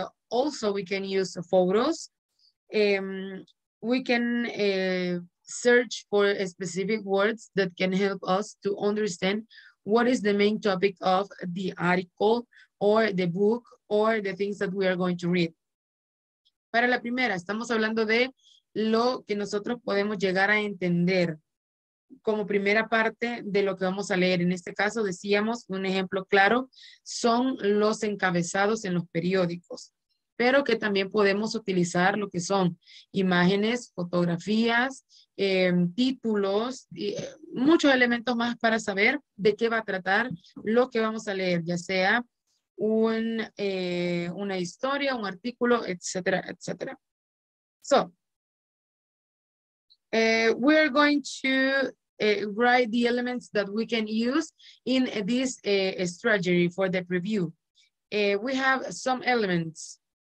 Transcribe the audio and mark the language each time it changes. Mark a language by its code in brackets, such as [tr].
[en] Also, we can use photos. We can search for specific words that can help us to understand what is the main topic of the article or the book or the things that we are going to read. [es] Para la primera, estamos hablando de lo que nosotros podemos llegar a entender como primera parte de lo que vamos a leer. En este caso decíamos, un ejemplo claro, son los encabezados en los periódicos. Pero que también podemos utilizar lo que son imágenes, fotografías, títulos, y muchos elementos más para saber de qué va a tratar lo que vamos a leer, ya sea una historia, un artículo, etcétera, etcétera. So, [en] we're going to write the elements that we can use in this strategy for the preview. We have some elements.